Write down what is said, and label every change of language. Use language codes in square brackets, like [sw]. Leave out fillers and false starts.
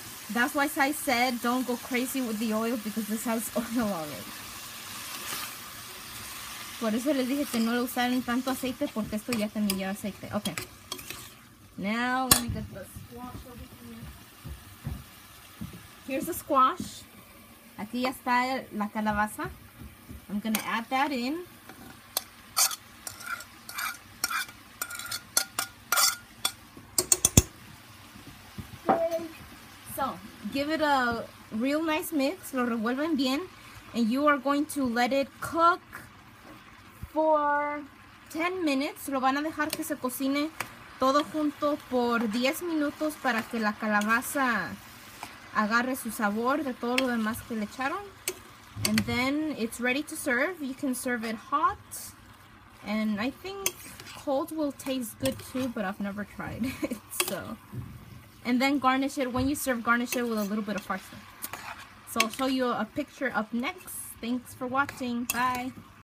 [en] That's why I said don't go crazy with the oil because this has oil on it. [es] Por eso les dije que no lo usaran tanto aceite porque esto ya también lleva aceite. Ok. [en] Now let me get the squash over here. Here's the squash. [es] Aquí ya está la calabaza. [en] I'm gonna add that in. Give it a real nice mix. [es] Lo revuelven bien. [en] And you are going to let it cook for 10 minutes. [es] Lo van a dejar que se cocine todo junto por 10 minutos para que la calabaza agarre su sabor de todo lo demás que le echaron. [en] And then it's ready to serve. You can serve it hot. And I think cold will taste good too, but I've never tried it, so... And then garnish it. When you serve, garnish it with a little bit of parsley. So I'll show you a picture up next. Thanks for watching. Bye.